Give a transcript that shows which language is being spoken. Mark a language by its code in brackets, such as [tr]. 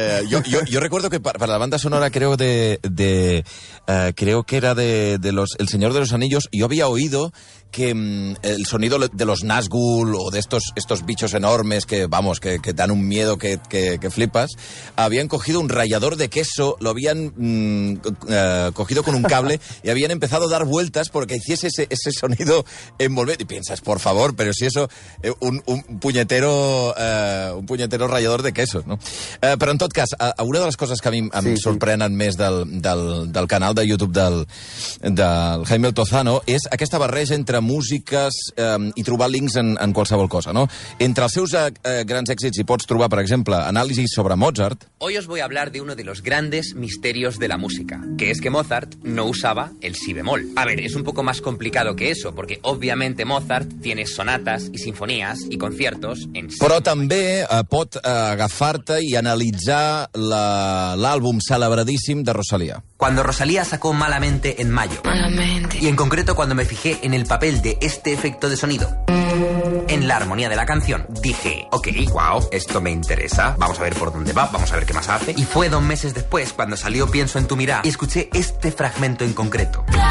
[es] Yo recuerdo que para la banda sonora creo que era de El Señor de los Anillos, yo había oído que el sonido de los Nazgûl o de estos bichos enormes que dan un miedo que flipas, habían cogido un rallador de queso, lo habían cogido con un cable y habían empezado a dar vueltas porque hiciese ese sonido envolvente. Y piensas, por favor, pero si eso, un puñetero rallador de queso, ¿no? [ca] Però en tot cas, una de les coses que a mi em sorprenen més del canal de YouTube del Jaime Altozano és aquesta barreja entre músiques i trobar links en qualsevol cosa, no? Entre els seus grans èxits hi pots trobar, per exemple, anàlisis sobre Mozart. [es] Hoy os voy a hablar de uno de los grandes misterios de la música, que es que Mozart no usaba el si bemol. A ver, es un poco más complicado que eso, porque obviamente Mozart tiene sonatas y sinfonías y conciertos en si. [ca] Però també pot agafar-te i analitzar l'àlbum celebradíssim de Rosalía. [es] Cuando Rosalía sacó Malamente en mayo. Malamente. Y en concreto cuando me fijé en el papel de este efecto de sonido en la armonía de la canción, dije, okay, wow, esto me interesa, vamos a ver por dónde va, vamos a ver qué más hace. Y fue dos meses después cuando salió Pienso en tu mirada y escuché este fragmento en concreto.